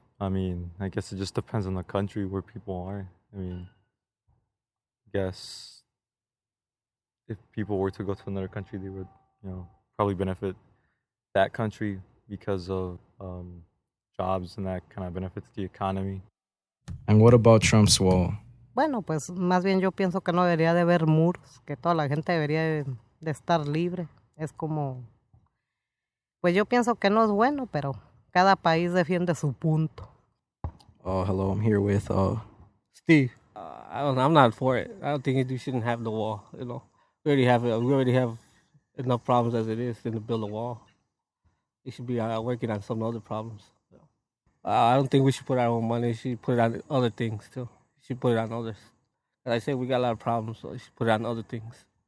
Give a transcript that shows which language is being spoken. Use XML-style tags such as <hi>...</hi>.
<en>I mean, I guess it just depends on the country where people are. I mean, I guess if people were to go to another country, they would, you know, probably benefit that country because of jobs, and that kind of benefits the economy. And what about Trump's wall?</en> <es>Bueno, pues más bien yo pienso que no debería de haber muros, que toda la gente debería de estar libre. Es como, pues yo pienso que no es bueno, pero cada país defiende su punto.</es> <en>Oh, hello, I'm here with Steve. I don't know, I'm not for it. I don't think we shouldn't have the wall, you know. We already have enough problems as it is to build a wall. We should be working on some other problems. I don't think we should put our own money. We should put it on other things, too. We should put it on others. As I said, we got a lot of problems, so we should put it on other things.</en>